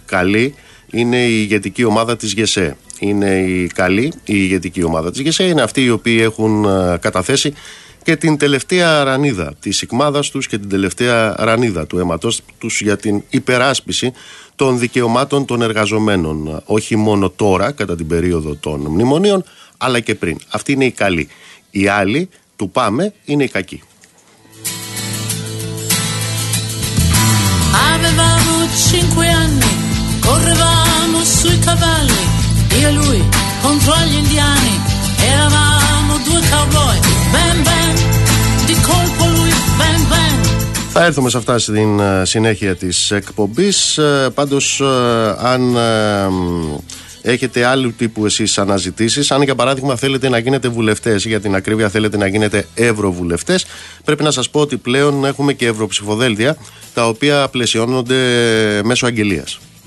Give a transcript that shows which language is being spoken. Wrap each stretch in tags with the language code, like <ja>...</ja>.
<el>Καλή είναι η ηγετική ομάδα της ΓΕΣΕ. Είναι η καλή η ηγετική ομάδα της ΓΕΣΕ, είναι αυτοί οι οποίοι έχουν καταθέσει και την τελευταία ρανίδα της σηκμάδας τους και την τελευταία ρανίδα του αίματος τους για την υπεράσπιση των δικαιωμάτων των εργαζομένων. Όχι μόνο τώρα, κατά την περίοδο των μνημονίων, αλλά και πριν. Αυτή είναι η καλή. Η άλλη, του πάμε, είναι η κακή.</el> <it>Avevamo cinque anni, correvamo sui cavalli, io e lui contro gli indiani, eravamo due cowboy, ben ben, di colpo lui, ben ben.</it> <el>Θα έρθουμε σε αυτά στην συνέχεια της εκπομπής, πάντως αν έχετε άλλου τύπου εσείς αναζητήσεις. Αν για παράδειγμα θέλετε να γίνετε βουλευτές ή για την ακρίβεια θέλετε να γίνετε ευρωβουλευτές, πρέπει να σας πω ότι πλέον έχουμε και ευρωψηφοδέλτια τα οποία πλαισιώνονται μέσω αγγελίας.</el>